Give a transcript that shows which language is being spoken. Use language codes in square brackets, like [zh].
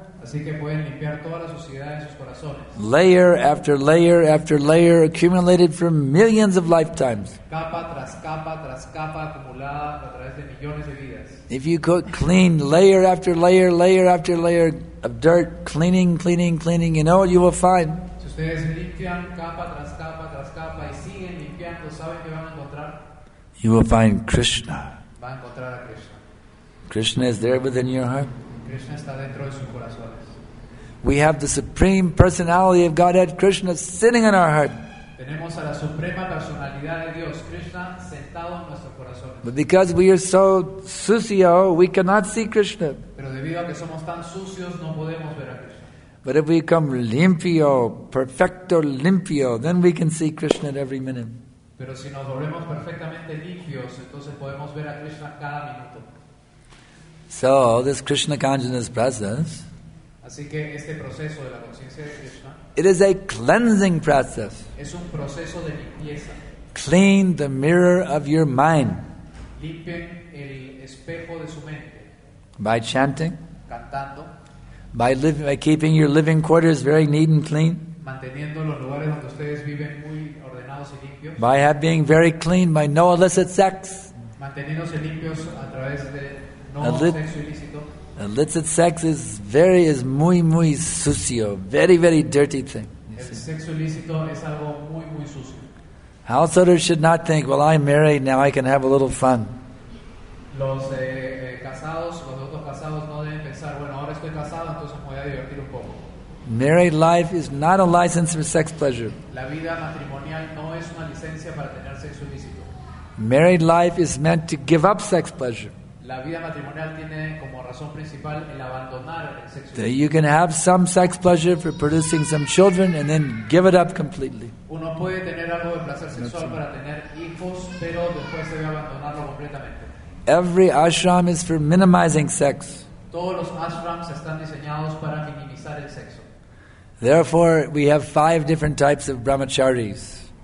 [es] así que pueden limpiar toda la suciedad en sus corazones. [en] Layer after layer after layer accumulated for millions of lifetimes. [es] Capa tras capa tras capa acumulada a través de millones de vidas. [en] If you could clean layer after layer, layer after layer of dirt, cleaning, cleaning, cleaning, you know what you will find? [es] Si ustedes limpian capa tras capa tras capa y siguen limpiando, ¿saben qué van a encontrar? [en] You will find Krishna. [es] Va a encontrar a Krishna. [en] Krishna is there within your heart. [es] Krishna está dentro de sus corazones. [en] We have the Supreme Personality of Godhead, Krishna, sitting in our heart. [es] Tenemos a la Suprema Personalidad de Dios, Krishna, sentado en nuestro corazón. [en] But because we are so sucio, we cannot see Krishna. [es] Pero debido a que somos tan sucios, no podemos ver a Krishna. [en] But if we come [es] limpio, perfecto limpio, [en] then we can see Krishna at every minute. [es] Pero si nos volvemos perfectamente limpios, entonces podemos ver a Krishna cada minuto. [en] So, this Krishna consciousness presence, [es] así que este proceso de la conciencia de Krishna, [en] it is a cleansing process. [es] Es un proceso de limpieza. [en] Clean the mirror of your mind. [es] Limpien el espejo de su mente. [en] By chanting. [es] Cantando. [en] By keeping your living quarters very neat and clean. [es] Manteniendo los lugares donde ustedes viven muy ordenados y limpios. [en] By being very clean, by no illicit sex. [es] Manteniéndose limpios a través de no sexo ilícito. [en] Illicit sex is [es] muy muy sucio, [en] very very dirty thing. [es] Sexo ilícito es algo muy muy sucio. [en] Householders should not think, well, I'm married now, I can have a little fun. [es] Los casados, los otros casados no deben pensar, bueno, ahora estoy casado, entonces me voy a divertir un poco. [en] Married life is not a license for sex pleasure. [es] La vida matrimonial no es una licencia para tener sexo ilícito. [en] Married life is meant to give up sex pleasure. [es] La vida matrimonial tiene como razón principal el abandonar el sexo. [en] That you can have some sex pleasure for producing some children and then give it up completely. [es] Uno puede tener algo de placer sexual para tener hijos, pero después debe abandonarlo completamente. [en] Every ashram is for minimizing sex. [es] Todos los ashrams están diseñados para minimizar el sexo. [en] Therefore, we have 5 different types of brahmacharis.